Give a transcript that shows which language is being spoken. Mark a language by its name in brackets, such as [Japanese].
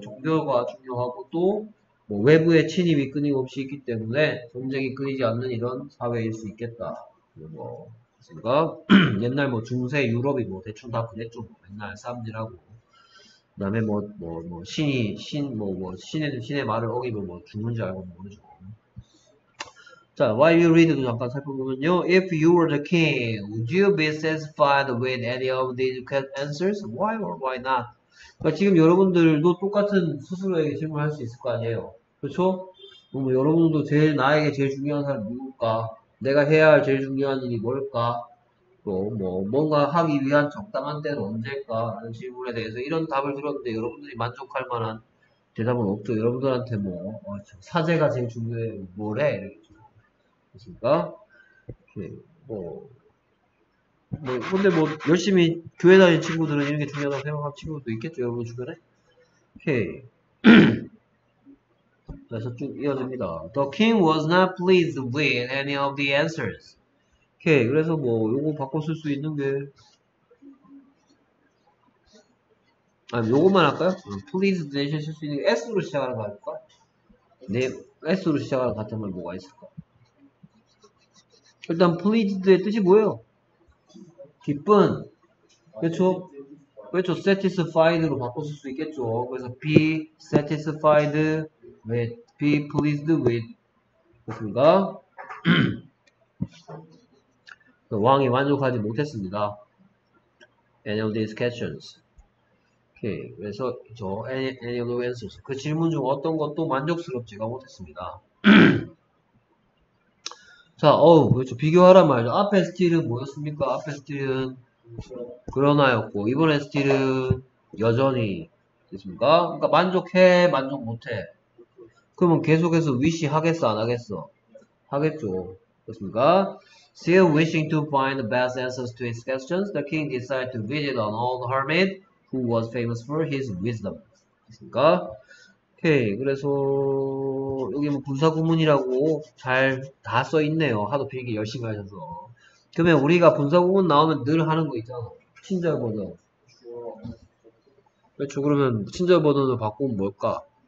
[Korean] 종교가 중요하고 또뭐 외부의 침입이 끊임없이 있기 때문에 전쟁이 끊이지 않는 이런 사회일 수 있겠다. 그리고 뭐, 그러니까 옛날 뭐 중세 유럽이 뭐 대충 다 그랬죠. 맨날 싸움질하고. 그다음에 뭐 신이 신뭐뭐 신의 말을 어기고 뭐 죽는 줄 알고 모르죠. 자, [English] while you read [Korean] 도 잠깐 살펴보면요. [English] If you were the king, would you be satisfied with any of these answers? Why or why not? [Korean] 그러니까 지금 여러분들도 똑같은 스스로에게 질문할 수 있을 거 아니에요. 그렇죠? 그럼 여러분들도 제일 나에게 제일 중요한 사람 누굴까? 내가 해야 할 제일 중요한 일이 뭘까? 또뭐 뭔가 하기 위한 적당한 때는 언제일까라는 질문에 대해서 이런 답을 들었는데 여러분들이 만족할 만한 대답은 없죠. 여러분들한테 뭐 사제가 제일 중요해 뭐래 이렇게 그렇습니까? 뭐 근데 뭐 열심히 교회 다니는 친구들은 이런 게 중요하다고 생각하는 친구도 있겠죠. 여러분 주변에. 오케이. 그래서 쭉 이어집니다. [English] The king was not pleased with any of the answers. [Korean] 오케이. 그래서 뭐 요거 바꿔 쓸수 있는 게, 아 요거만 할까요? Please 대신 쓸수 있는 게 S로 시작하는 거 할까? 네, S로 시작하는 같은 말 뭐가 있을까? 일단 pleased의 뜻이 뭐예요? 기쁜. 그렇죠? 그렇죠. Satisfied로 바꿔 쓸수 있겠죠. 그래서 [English] be satisfied with, be pleased with. [Korean] 그렇습니까? 왕이 만족하지 못했습니다. [English] Any of these questions. [Korean] 오케이. 그래서 저 [English] any of the answers. [Korean] 그 질문 중 어떤 것도 만족스럽지가 못했습니다. 자, 어우, 그렇죠. 비교하란 말이죠. 앞에 스틸은 뭐였습니까? 앞에 스틸은 그러나였고, 이번에 스틸은 여전히 됐습니까? 그러니까 만족해, 만족 못해. 그러면 계속해서 위시 하겠어, 안 하겠어? 하겠죠. 그렇습니까? [English] Still wishing to find the best answers to his questions, the king decided to visit an old hermit who was famous for his wisdom. [Korean] 그렇습니까? 오케이. 그래서 여기 뭐 분사구문이라고 잘다써 있네요. 하도 필기 열심히 하셔서. 그러면 우리가 분사구문 나오면 늘 하는 거 있잖아. 친절버전. 그렇죠. 그러면 친절버전으로 바꾸면 뭘까?